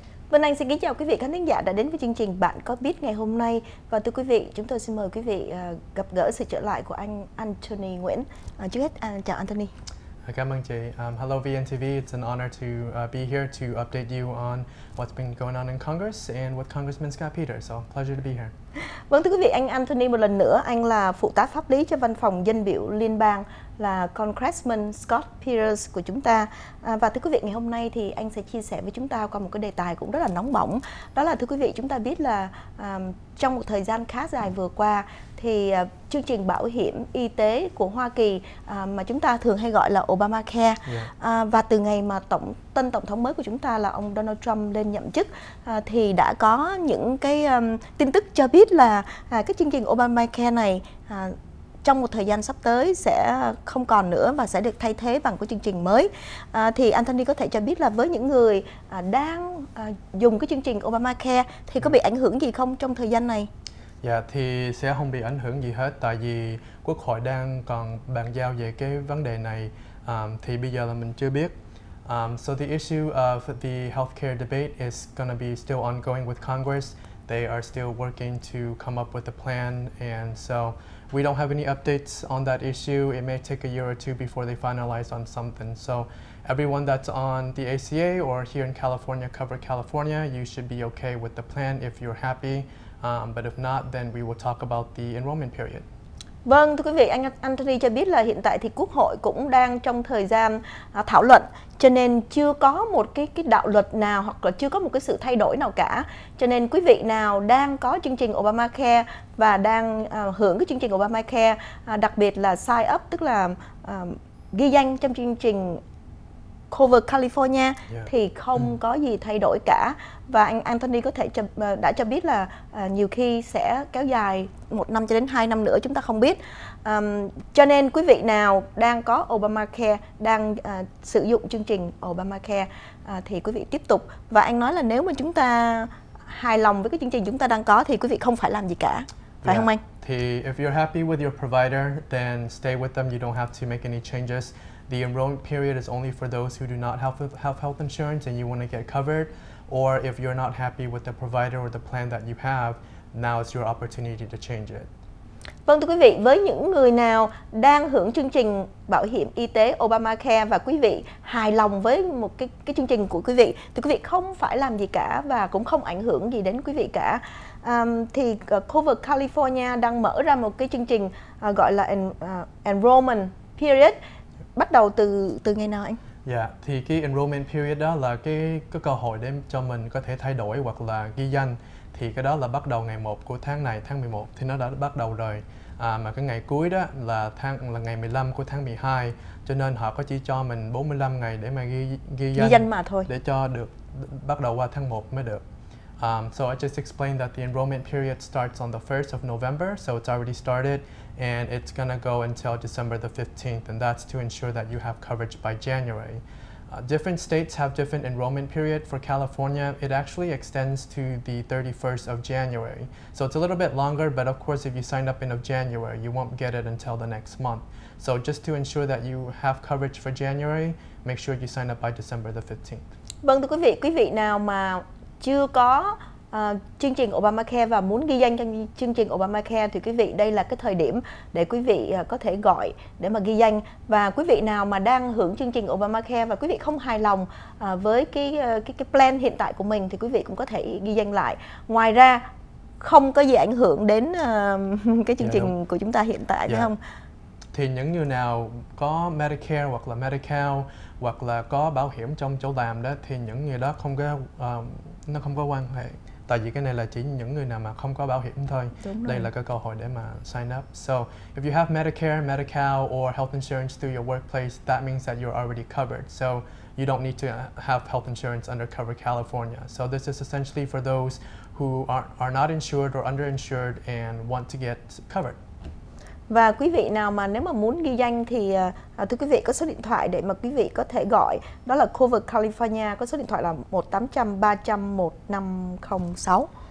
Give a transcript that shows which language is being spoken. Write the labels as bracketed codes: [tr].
[vi] Xuân Anh xin kính chào quý vị khán thính giả đã đến với chương trình Bạn Có Biết ngày hôm nay. Và thưa quý vị, chúng tôi xin mời quý vị gặp gỡ sự trở lại của anh Anthony Nguyễn. Trước hết, chào Anthony. Cảm ơn chị. [en] Hello VNTV, it's an honor to be here to update you on what's been going on in Congress and with Congressman Scott Peters. So, pleasure to be here. [vi] Vâng, thưa quý vị, anh Anthony một lần nữa, anh là phụ tá pháp lý cho văn phòng dân biểu liên bang, là Congressman Scott Peters của chúng ta. Và thưa quý vị, ngày hôm nay thì anh sẽ chia sẻ với chúng ta qua một cái đề tài cũng rất là nóng bỏng. Đó là thưa quý vị, chúng ta biết là trong một thời gian khá dài vừa qua thì chương trình bảo hiểm y tế của Hoa Kỳ mà chúng ta thường hay gọi là Obamacare, yeah. Và từ ngày mà tổng thống mới của chúng ta là ông Donald Trump lên nhậm chức thì đã có những cái tin tức cho biết là cái chương trình Obamacare này trong một thời gian sắp tới sẽ không còn nữa và sẽ được thay thế bằng cái chương trình mới. Thì Anthony có thể cho biết là với những người đang dùng cái chương trình Obamacare thì có bị ảnh hưởng gì không trong thời gian này? Dạ, thì sẽ không bị ảnh hưởng gì hết tại vì Quốc hội đang còn bàn giao về cái vấn đề này, thì bây giờ là mình chưa biết. [en] So the issue of the healthcare debate is going to be still ongoing with Congress. They are still working to come up with a plan, and so we don't have any updates on that issue. It may take a year or two before they finalize on something. So everyone that's on the ACA or here in California, cover California, you should be okay with the plan if you're happy. But if not, then we will talk about the enrollment period. [vi] Vâng, thưa quý vị, anh Anthony cho biết là hiện tại thì Quốc hội cũng đang trong thời gian thảo luận, cho nên chưa có một cái đạo luật nào hoặc là chưa có một cái sự thay đổi nào cả. Cho nên quý vị nào đang có chương trình Obamacare và đang hưởng cái chương trình Obamacare, đặc biệt là sign up, tức là ghi danh trong chương trình Cover California, yeah, thì không có gì thay đổi cả. Và anh Anthony có thể đã cho biết là nhiều khi sẽ kéo dài 1 năm cho đến 2 năm nữa, chúng ta không biết. Cho nên quý vị nào đang có Obamacare, đang sử dụng chương trình Obamacare thì quý vị tiếp tục. Và anh nói là nếu mà chúng ta hài lòng với cái chương trình chúng ta đang có thì quý vị không phải làm gì cả, phải, yeah, không anh? [en] Thì if you're happy with your provider, then stay with them, you don't have to make any changes. The enrollment period is only for those who do not have health insurance and you want to get covered, or if you're not happy with the provider or the plan that you have, now is your opportunity to change it. [vi] Vâng, thưa quý vị, với những người nào đang hưởng chương trình bảo hiểm y tế Obamacare và quý vị hài lòng với một cái chương trình của quý vị thì quý vị không phải làm gì cả và cũng không ảnh hưởng gì đến quý vị cả. Thì Cover California đang mở ra một cái chương trình gọi là enrollment period. Bắt đầu từ ngày nào anh? Dạ, yeah, thì cái enrollment period đó là cái cơ hội để cho mình có thể thay đổi hoặc là ghi danh. Thì cái đó là bắt đầu ngày 1 của tháng này, tháng 11, thì nó đã bắt đầu rồi. Mà cái ngày cuối đó là ngày 15 của tháng 12, cho nên họ có chỉ cho mình 45 ngày để mà ghi danh mà thôi. Để cho được bắt đầu qua tháng 1 mới được. [en] So I just explained that the enrollment period starts on the 1st of November, so it's already started. And it's going to go until December the 15th, and that's to ensure that you have coverage by January. Different states have different enrollment period. For California, it actually extends to the 31st of January. So it's a little bit longer, but of course, if you sign up in of January, you won't get it until the next month. So just to ensure that you have coverage for January, make sure you sign up by December the 15th. [vi] Vâng, thưa quý vị nào mà chưa có chương trình Obamacare và muốn ghi danh trong chương trình Obamacare thì quý vị đây là cái thời điểm để quý vị có thể gọi để mà ghi danh. Và quý vị nào mà đang hưởng chương trình Obamacare và quý vị không hài lòng với cái plan hiện tại của mình thì quý vị cũng có thể ghi danh lại. Ngoài ra không có gì ảnh hưởng đến cái chương, yeah, trình của chúng ta hiện tại, yeah, phải không? Thì những người nào có Medicare hoặc là Medi-Cal hoặc là có bảo hiểm trong chỗ làm đó thì những người đó không có nó không có quan hệ. Tại vì cái này là chỉ những người nào mà không có bảo hiểm thôi. Đây là cái cơ hội để mà sign up. [en] So, if you have Medicare, Medi-Cal or health insurance through your workplace, that means that you're already covered. So, you don't need to have health insurance under Cover California. So, this is essentially for those who are not insured or underinsured and want to get covered. [vi] Và quý vị nào mà nếu mà muốn ghi danh thì thưa quý vị có số điện thoại để mà quý vị có thể gọi. Đó là Cover California, có số điện thoại là 1-800-300-1506.